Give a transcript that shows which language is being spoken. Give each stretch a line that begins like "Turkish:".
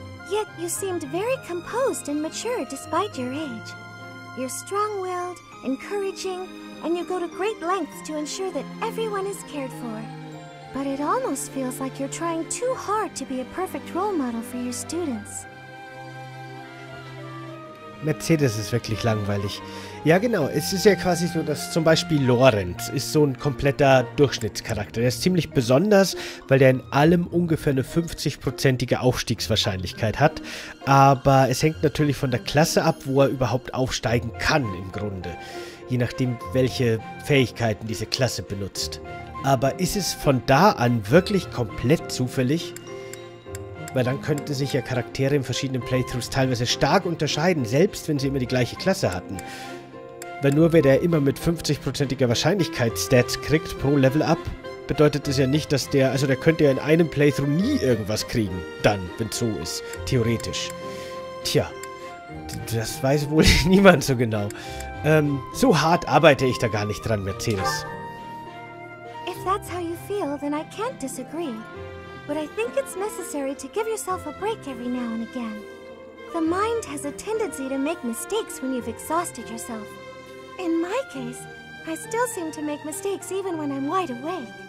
English: Yet, you seemed very composed and mature despite your age. You're strong-willed, encouraging, and you go to great lengths to ensure that everyone is cared for. But it almost feels like you're trying too hard to be a perfect role model for your students.
German: Mercedes ist wirklich langweilig. Ja, genau. Es ist ja quasi so, dass zum Beispiel Lorenz ist so ein kompletter Durchschnittscharakter. Der ist ziemlich besonders, weil der in allem ungefähr eine 50-prozentige Aufstiegswahrscheinlichkeit hat. Aber es hängt natürlich von der Klasse ab, wo er überhaupt aufsteigen kann im Grunde. Je nachdem, welche Fähigkeiten diese Klasse benutzt. Aber ist es von da an wirklich komplett zufällig? Weil dann könnten sich ja Charaktere in verschiedenen Playthroughs teilweise stark unterscheiden, selbst wenn sie immer die gleiche Klasse hatten. Weil nur wer der immer mit 50-prozentiger Wahrscheinlichkeit Stats kriegt pro Level-Up, bedeutet es ja nicht, dass der... Also der könnte ja in einem Playthrough nie irgendwas kriegen, dann, wenn es so ist, theoretisch. Tja, das weiß wohl niemand so genau. So hart arbeite ich da gar nicht dran, Mercedes.
English: That's how you feel, then I can't disagree. But I think it's necessary to give yourself a break every now and again. The mind has a tendency to make mistakes when you've exhausted yourself. In my case, I still seem to make mistakes even when I'm wide awake.